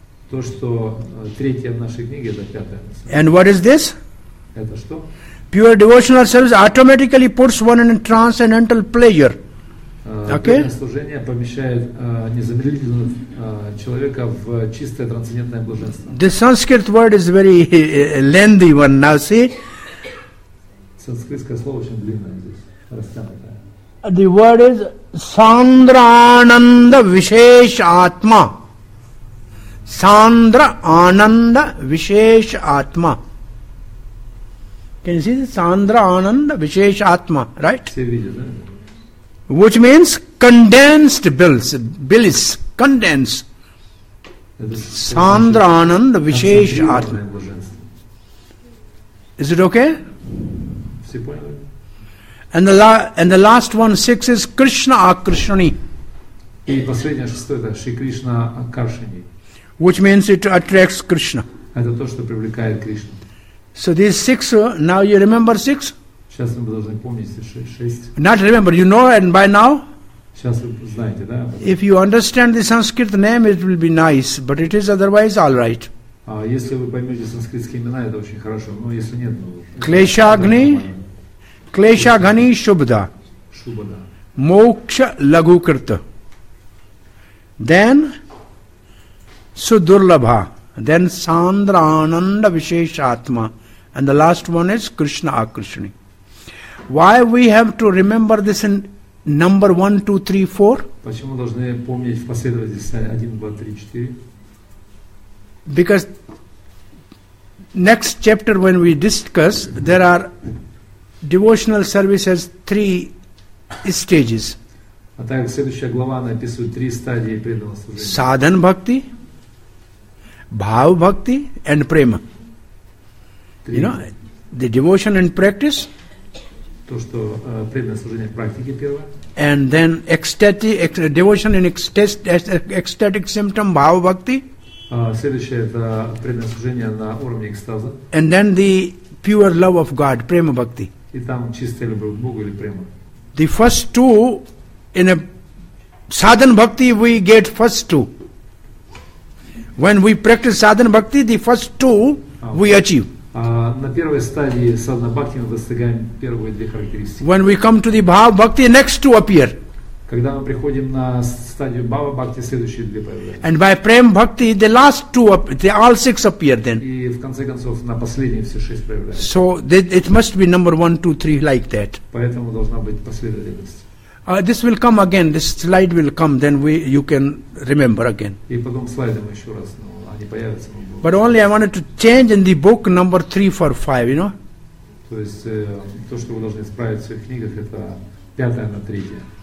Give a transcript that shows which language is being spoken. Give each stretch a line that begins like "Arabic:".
Russian: То, что третье в нашей книге, это пятое.
English: And what is this?
Russian: Это что?
English: Pure devotional service automatically puts one in a transcendental pleasure. Okay.
Russian: Пьяное служение помещает незамедлительно человека в чистое трансцендентное блаженство.
English: The Sanskrit word is very lengthy one now, see?
Russian: Санскритское слово очень длинное здесь, растянутое.
English: The word is Сандрананда Вишешатма.
Russian: Сандрананда Вишешатма.
English: Can you see this? Сандрананда Вишешатма, right?
Russian: Все видят, да?
English: Which means condensed bliss, bliss, condensed.
Russian: Сандра Ананда Вишеш Атма.
English: Is it okay?
Russian: Все поняли?
English: And the last one, six, is Krishna Akrishani.
Russian: И последнее, шестое, это Шри Кришна Акаршани.
English: Which means it attracts Krishna.
Russian: Это то, что привлекает Кришну.
English: So these six, now you remember six?
Russian: Сейчас мы должны помнить
English: шесть. Not remember, you know and by now?
Russian: Сейчас вы знаете, да?
English: If you understand the Sanskrit name, it will be nice, but it is otherwise all right.
Russian: Если вы поймете санскритские имена, это очень хорошо, но если нет, ну...
Sanskrit: Клешагни, Клешагни Шубда. Шубда. Мокша Лагукрта. Then, Судурлабха.
English: Then, Сандрананда Вишешатма. And the last one is Krishna Akrishani. Why we have to remember this in number 1, 2, 3, 4?
Russian: Почему должны помнить в последовательности 1, 2, 3, 4?
English: Because next chapter when we discuss, there are devotional services three stages.
Russian: А так, следующая глава описывает три стадии преданного служения.
Sanskrit: Садхан Бхакти, Бхав Бхакти and Према.
English: You know, the devotion and practice.
Russian: То, что преданное служение в практике первое.
English: And then devotion in ecstatic symptom, bhava bhakti.
Russian: Следующее это преданное служение на уровне экстаза.
English: And then the pure love of God, prema bhakti.
Russian: И там чистая любовь к Богу или према.
English: The first two, in a sadhana bhakti, we get first two. When we practice sadhana bhakti, the first two we achieve.
Russian: На первой стадии садхана бхакти мы достигаем первые две характеристики.
English: When we come to the bhava bhakti, next two appear.
Russian: Когда мы приходим на стадию bhava bhakti, следующие две появляются.
English: And by prem bhakti, the last two, they all six appear then.
Russian: И в конце концов на последние все шесть появляются.
English: So it must be number one, two, three like that.
Russian: Поэтому должна быть последовательность.
English: This will come again. This slide will come. Then you can remember again.
Russian: И потом слайды мы еще раз. Но они появятся.
English: But only I wanted to change in the book number 3, 4, 5, you know?
Russian: То есть, то, что вы должны исправить в своих книгах, это пятое на третье.